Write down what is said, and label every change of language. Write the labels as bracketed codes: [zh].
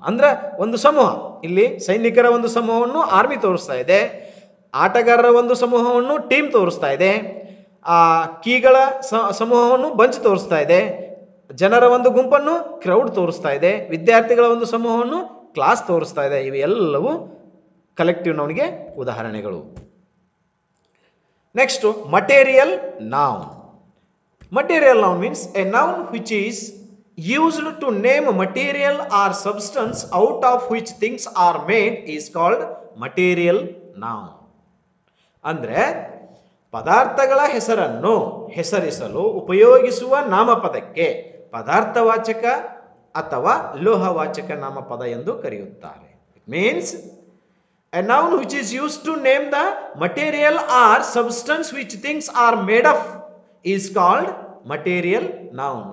[kn] ಅಂದರೆ ಒಂದು ಸಮೂಹ, ಇಲ್ಲಿ ಸೈನಿಕರ ಒಂದು ಸಮೂಹವನ್ನು ಆರ್ಮಿ ತೋರಿಸ್ತಾ ಇದೆ, ಆಟಗಾರರ ಒಂದು ಸಮೂಹವನ್ನು ಟೀಮ್ ತೋರಿಸ್ತಾ ಇದೆ, ಆ ಕೀಗಳ ಸಮೂಹವನ್ನು ಬಂಚ್ ತೋರಿಸ್ತಾ ಇದೆ, ಜನರ ಒಂದು ಗುಂಪನ್ನು ಕ್ರೌಡ್ ತೋರಿಸ್ತಾ ಇದೆ, ವಿದ್ಯಾರ್ಥಿಗಳ ಒಂದು ಸಮೂಹವನ್ನು ಕ್ಲಾಸ್ ತೋರಿಸ್ತಾ ಇದೆ. ಇವೆಲ್ಲವೂ ಕಲೆಕ್ಟಿವ್ ನೌನ್ಗೆ ಉದಾಹರಣೆಗಳು. [en] Next, material noun. Material noun means a noun which is used to name material or substance out of which things are made is called material noun. [kn] ಅಂದರೆ ಪದಾರ್ಥಗಳ ಹೆಸರನ್ನು ಹೆಸರಿಸಲು ಉಪಯೋಗಿಸುವ ನಾಮಪದಕ್ಕೆ ಪದಾರ್ಥವಾಚಕ ಅಥವಾ ಲೋಹವಾಚಕ ನಾಮಪದ ಎಂದು ಕರೆಯುತ್ತಾರೆ. [en] It means a noun which is use to name the material or substance which things are made of is called material noun.